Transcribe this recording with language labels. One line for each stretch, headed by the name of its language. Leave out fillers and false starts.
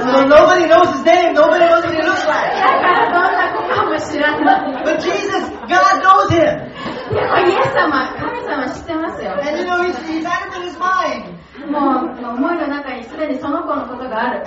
English: So nobody knows his name, nobody knows what he looks like.
Japanese: だからどんな子かも知らない。
English: But Jesus, God knows him.
Japanese: でもイエス様、神様知ってますよ。
English: And you know, he's out of his mind.
Japanese: もう思いの中にすでにその子のことがある。